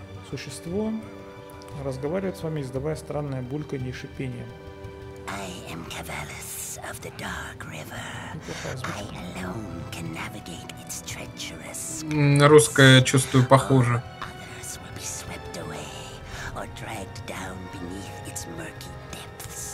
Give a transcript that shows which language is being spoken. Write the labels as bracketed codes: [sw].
[ru] Существо разговаривает с вами, издавая странное бульканье и шипение. [en] I am Cavalus of the Dark River. I alone can navigate its treacherous. [ru] На русское чувствую похоже. [en] Others will be swept away or dragged down beneath its murky depths.